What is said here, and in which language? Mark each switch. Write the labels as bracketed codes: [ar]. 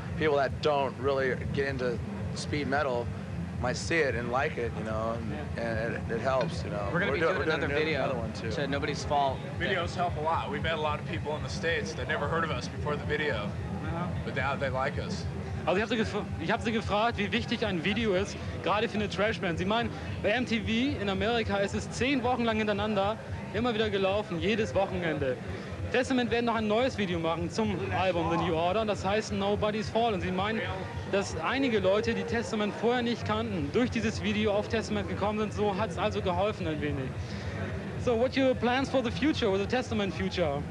[en] People that don't really get into speed metal might see it and like it, and it helps, We're doing another video, nobody's fault. Videos help a lot. We met a lot of people in the States that never heard of us before the video, but now they like us. [de] Also ich hab sie gefragt, wie wichtig ein Video ist, gerade für eine Trashband. Sie meinen, bei MTV in Amerika ist es 10 Wochen lang hintereinander immer wieder gelaufen, jedes Wochenende. Testament werden noch ein neues Video machen zum Album The New Order, das heißt Nobody's Fall. Und sie meinen, dass einige Leute, die Testament vorher nicht kannten, durch dieses Video auf Testament gekommen sind. So hat es also geholfen ein wenig. [en] So, what are your plans for the future, with the Testament future?